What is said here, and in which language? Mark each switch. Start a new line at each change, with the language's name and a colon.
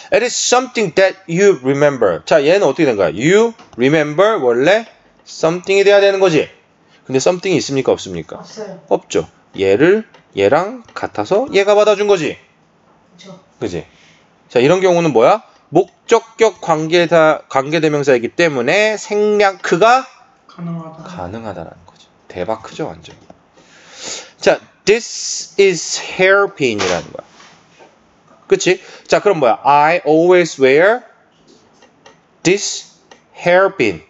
English: It is something that you remember.
Korean: 자, 얘는 어떻게 된 거야? You remember 원래 something이 돼야 되는 거지. 근데 something이 있습니까? 없습니까? 없어요. 없죠. 얘를 얘랑 같아서 얘가 받아준 거지. 그렇죠. 그지? 자, 이런 경우는 뭐야? 목적격 관계대명사이기 때문에 생략크가 가능하다라는 거죠. 대박 크죠, 완전. 자,
English: this is hairpin
Korean: 이라는 거야. 그치? 자, 그럼 뭐야?
English: I always wear this hairpin.